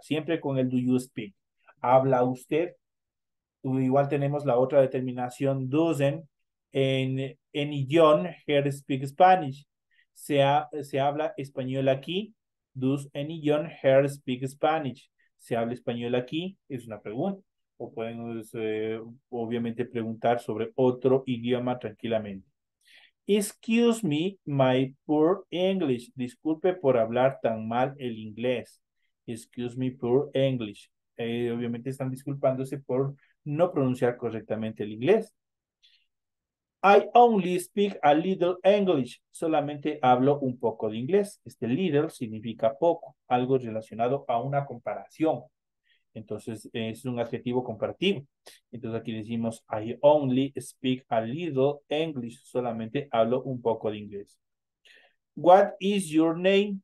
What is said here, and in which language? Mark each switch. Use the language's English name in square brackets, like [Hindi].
[Spanish] Siempre con el [English] Do you speak. [Spanish] ¿Habla usted? Igual tenemos la otra determinación, doesn't, en idioma, [English] here speak Spanish. [Spanish] Se habla español aquí, [English] does anyone here speak Spanish? [Spanish] ¿Se habla español aquí? Es una pregunta. O pueden obviamente preguntar sobre otro idioma tranquilamente. [English] Excuse me, my poor English. [Spanish] Disculpe por hablar tan mal el inglés. [English] Excuse me, poor English. [Spanish] Obviamente están disculpándose por no pronunciar correctamente el inglés. [English] I only speak a little English. [Spanish] Solamente hablo un poco de inglés. Este little significa poco, algo relacionado a una comparación. Entonces, es un adjetivo comparativo. Entonces, aquí decimos, [English] I only speak a little English. [Spanish] Solamente hablo un poco de inglés. [English] What is your name?